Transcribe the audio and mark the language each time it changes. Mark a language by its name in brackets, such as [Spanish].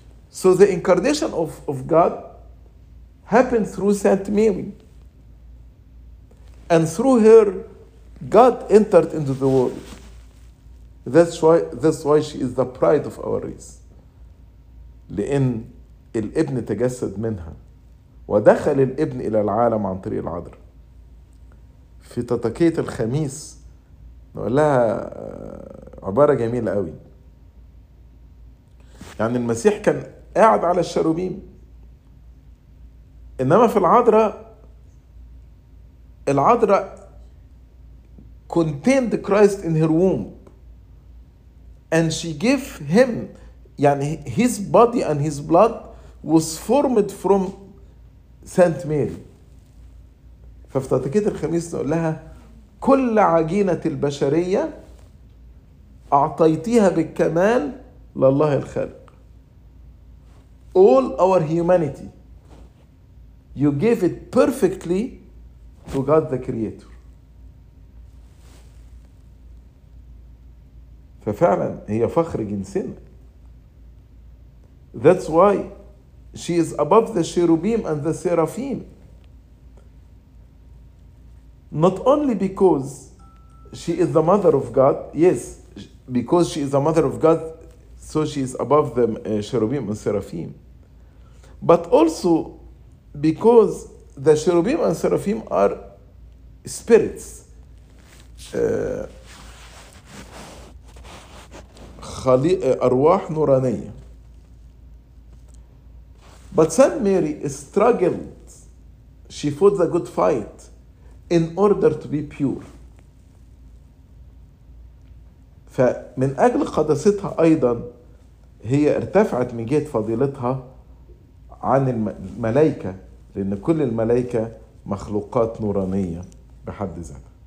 [English] So the incarnation of God happened through Saint Mary. And through her, God entered into the world. That's why she is the pride of our race. [Arabic] لأن الابن تجسد منها ودخل الابن إلى العالم عن طريق العذراء. في تطكية الخميس نقول لها عبارة جميلة قوي. يعني المسيح كان قاعد على الشاروبيم، إنما في العذراء العذراء [English] contained Christ in her womb and she gave him [Arabic] يعني [English] his body and his blood was formed from Saint Mary. [Arabic] ففي تطكية الخميس نقول لها كل عجينة البشرية أعطيتيها بالكمال لله الخالق. [English] All our humanity you gave it perfectly to God the Creator. [Arabic] ففعلا هي فخر جنسنا. [English] That's why she is above the cherubim and the seraphim. Not only because she is the mother of God, yes, because she is the mother of God, so she is above the cherubim and seraphim. But also because the cherubim and seraphim are spirits. [Arabic] أرواح نورانية. [English] But Saint Mary struggled, she fought the good fight in order to be pure. [Arabic] فمن أجل قدستها أيضا هي ارتفعت من جهة فضيلتها عن الملائكة، لأن كل الملائكة مخلوقات نورانية بحد ذاتها.